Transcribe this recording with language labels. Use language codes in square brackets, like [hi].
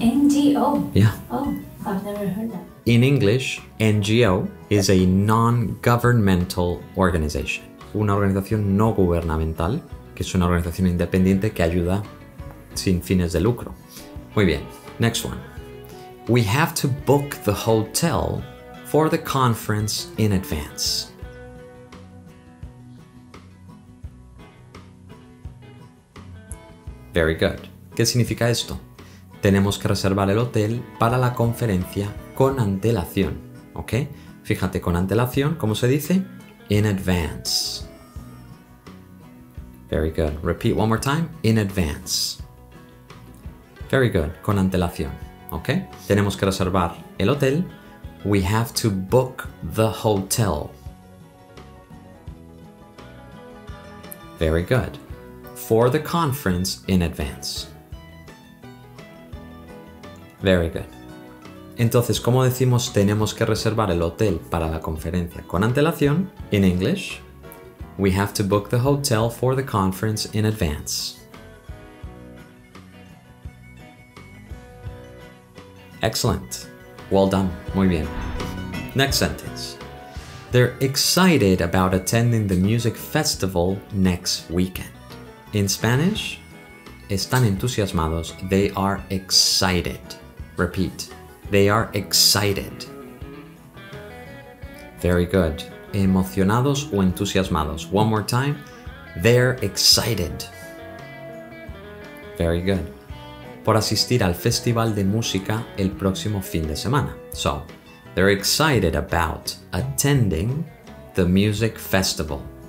[en] NGO. Yeah. Oh, I've never heard that. In English, NGO is a non-governmental organization. [es] Una organización no gubernamental, que es una organización independiente que ayuda sin fines de lucro. Muy bien. [en] Next one. We have to book the hotel for the conference in advance. Very good. [es] ¿Qué significa esto? Tenemos que reservar el hotel para la conferencia con antelación, ¿ok? Fíjate, con antelación, ¿cómo se dice? [en] In advance. Very good. Repeat one more time. In advance. Very good. [es] Con antelación, ¿ok? Tenemos que reservar el hotel. [en] We have to book the hotel. Very good. For the conference in advance. Very good. [es] Entonces, ¿cómo decimos tenemos que reservar el hotel para la conferencia con antelación? [en] In English, we have to book the hotel for the conference in advance. Excellent. Well done. [es] Muy bien. [en] Next sentence. They're excited about attending the music festival next weekend. In Spanish, [es] están entusiasmados. [en] They are excited. Repeat. They are excited. Very good. [es] Emocionados o entusiasmados. [en] One more time. They're excited. Very good. [es] Por asistir al festival de música el próximo fin de semana. [en] So, they're excited about attending the music festival.